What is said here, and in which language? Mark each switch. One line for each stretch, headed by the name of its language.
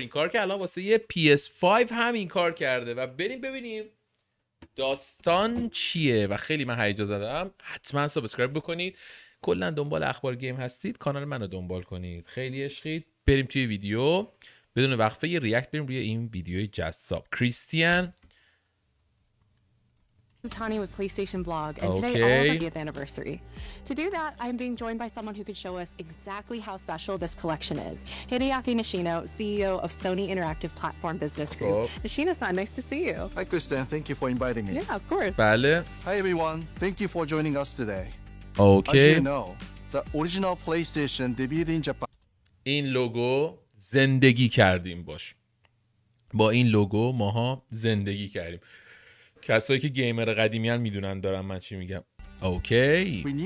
Persian: این کار که الان واسه یه PS5 هم این کار کرده و بریم ببینیم داستان چیه و خیلی من هیجان زدم. حتما سابسکرایب بکنید، کلا دنبال اخبار گیم هستید کانال منو دنبال کنید، خیلی عشقید. بریم توی ویدیو بدون وقفه یه ریاکت بریم روی این ویدیوی جذاب. کریستیان
English: Tani with PlayStation Blog, and today is our 30th anniversary. To do that, I'm being joined by someone who could show us exactly how special this collection is. Hideaki Nishino, CEO of Sony Interactive Platform Business Group. Nishino-san, nice to see you. Hi, Kristen. Thank you for inviting me. Yeah, of course.
Persian: Bale.
English: Hi, everyone. Thank you for joining us today. Okay. As you know, the original PlayStation debuted in Japan.
Persian: این لوگو زندگی کردیم باش. با این لوگو ماها زندگی کردیم. کسایی که گیمر قدیمی هم میدونن دارم من چی میگم. اوکی.